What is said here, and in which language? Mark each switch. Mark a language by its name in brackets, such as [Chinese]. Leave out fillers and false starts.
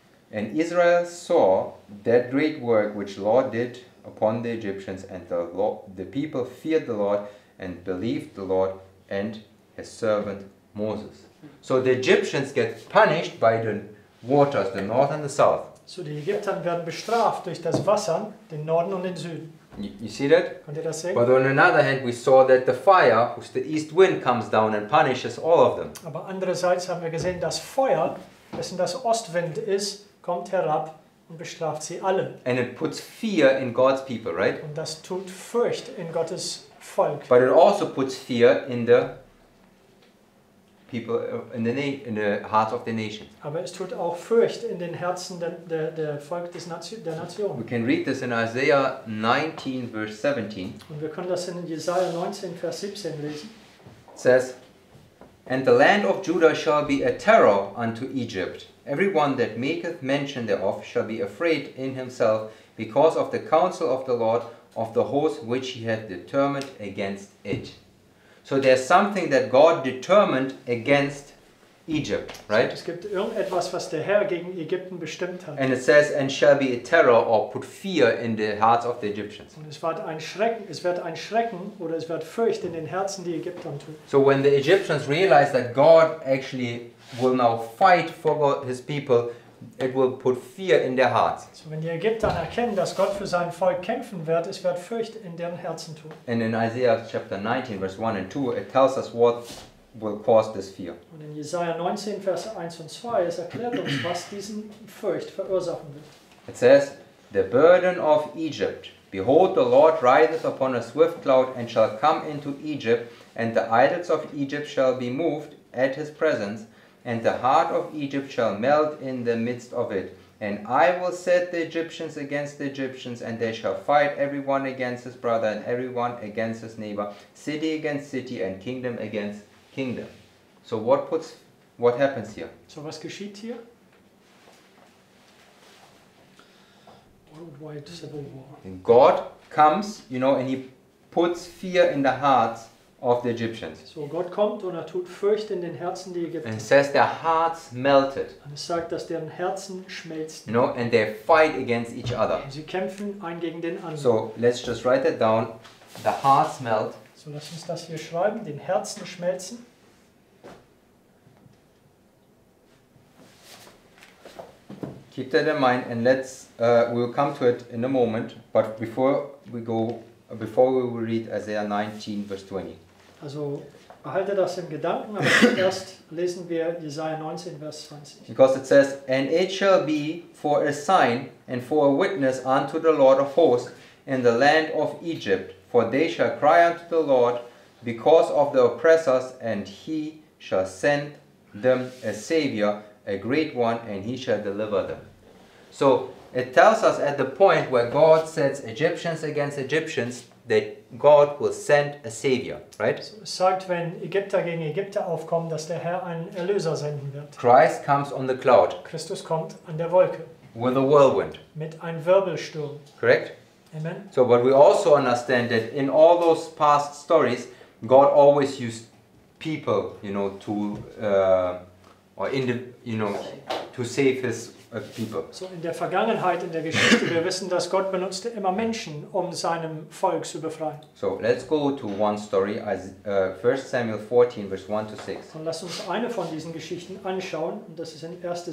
[English] And Israel saw that great work which the Lord did upon the Egyptians, and the people feared the Lord and believed the Lord and his servant Moses. So the Egyptians get punished by the waters, the north and the south. [German] So die Ägypter werden bestraft durch das Wasser, den Norden und den Süden. [English] You see that? [German] Könnt ihr das sehen? [English] But on another hand, we saw that the fire, which the east wind comes down and punishes all of them. [German] Aber andererseits haben wir gesehen, dass Feuer Wessen das Ostwind ist, kommt herab und bestraft sie alle. [English] And it puts fear in God's people, right? [German] Und das tut Furcht in Gottes Volk. [English] But it also puts fear in the people in the hearts of the nation. [German] Aber es tut auch Furcht in den Herzen der Volk des der Nation. [English] We can read this in Isaiah 19 verse 17. [German] Und wir können das in Jesaja 19 Vers 17 lesen. [English] It says, and the land of Judah shall be a terror unto Egypt. Everyone that maketh mention thereof shall be afraid in himself because of the counsel of the Lord of the host which he hath determined against it. So there's something that God determined against Egypt, right? [German] Es gibt irgendetwas, was der Herr gegen Ägypten bestimmt hat. [English] And it says, and shall be a terror or put fear in the hearts of the Egyptians. [German] Und es wird ein Schrecken oder es wird Furcht in den Herzen der Ägypter tun. [English] So when the Egyptians realize that God actually will now fight for God, his people, it will put fear in their hearts. [German] So wenn die Ägypter erkennen, dass Gott für sein Volk kämpfen wird, es wird Furcht in deren Herzen tun. [English] And in Isaiah chapter 19 verse 1 and 2 it tells us what will cause this fear. [German] Und in Jesaja 19 Vers 1 und 2 es erklärt uns, was diesen Furcht verursachen wird. [English] It says, the burden of Egypt. Behold, the Lord rideth upon a swift cloud and shall come into Egypt, and the idols of Egypt shall be moved at his presence. And the heart of Egypt shall melt in the midst of it. And I will set the Egyptians against the Egyptians, and they shall fight every one against his brother, and every one against his neighbor, city against city, and kingdom against kingdom. So what happens here? [German] So was geschieht hier? [English] Worldwide civil war. And God comes, you know, and he puts fear in the hearts of the Egyptians. [German] So Gott kommt und tut Furcht in den Herzen der Ägypter. [English] And says their hearts melted. [German] Und es sagt, dass deren Herzen schmelzen. [English] You know, and they fight against each other. [German] Und sie kämpfen einen gegen den anderen. [English] So let's just write that down. The hearts melt. [German] So lass uns das hier schreiben. Den Herzen schmelzen. [English] Keep that in mind and let's we'll come to it in a moment. But before we will read Isaiah 19, verse 20. [German] Also, behalte das im Gedanken, aber erst lesen wir Jesaja 19, verse 20. [English] Because it says, and it shall be for a sign and for a witness unto the Lord of hosts in the land of Egypt, for they shall cry unto the Lord because of the oppressors, and he shall send them a Savior, a great one, and he shall deliver them. So, it tells us at the point where God sets Egyptians against Egyptians that God will send a savior, right? [German] So it sagt, wenn Ägypter gegen Ägypter aufkommen, dass der Herr einen Erlöser senden wird. [English] Christ comes on the cloud. [German] Christus kommt an der Wolke. [English] With a whirlwind. [German] Mit einem Wirbelsturm. [English] Correct? Amen. So but we also understand that in all those past stories God always used people, you know, to save his people. [German] So in der Vergangenheit, in der Geschichte, wir wissen, dass Gott benutzte immer Menschen, um seinem Volk zu befreien. [English] So let's go to one story, 1 Samuel 14, verse 1 to 6. [German] Und lass uns eine von diesen Geschichten anschauen, und das ist in 1.